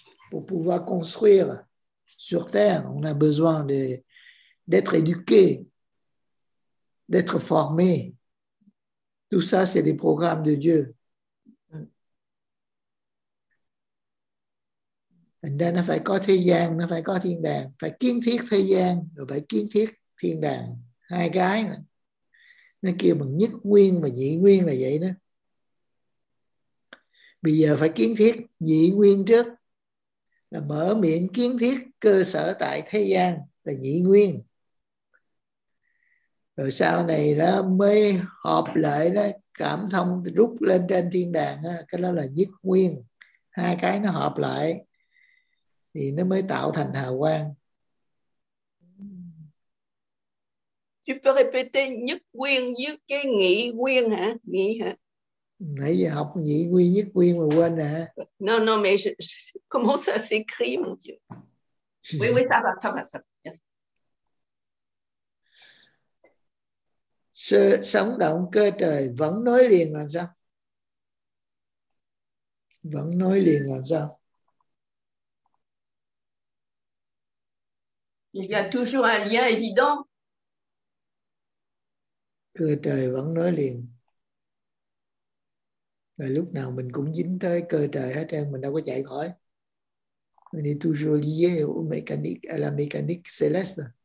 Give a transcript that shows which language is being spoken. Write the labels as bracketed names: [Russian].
[French] Pour pouvoir construire sur Terre, on a besoin d'être éduqué, d'être formé. Tout ça, c'est des programmes de Dieu. Et là, [Vietnamese] nó phải có thế gian, nó phải có thiên đàng, phải kiến thiết thế gian, rồi phải kiến thiết thiên đàng, hai cái này. Nó kêu bằng nhất nguyên và nhị nguyên là vậy đó. Bây giờ phải kiến thiết nhị nguyên trước, là mở miệng kiến thiết cơ sở tại thế gian là nhị nguyên. Rồi sau này đó mới họp lại đó, cảm thông rút lên trên thiên đàng đó, cái đó là nhất nguyên. Hai cái nó họp lại thì nó mới tạo thành hào quang. [French] Tu peux répéter [Vietnamese] nhất nguyên với cái nghị nguyên hả? Nghị hả? Nãy giờ học nhị nguyên nhất nguyên mà quên rồi hả? [French] Non, non, mais je comment ça s'écrit, mon Dieu? Oui, oui, ça va. [English] Yes. [Vietnamese] Sự sống động cơ trời vẫn nối liền là sao? Vẫn nối liền là sao? [French] Il y a toujours un lien évident. [Vietnamese] Cửa trời vẫn nối liền. Là lúc nào mình cũng dính tới cơ trời hết trơn, mình đâu có chạy khỏi. [French] On est toujours lié au mécanique, à la mécanique céleste.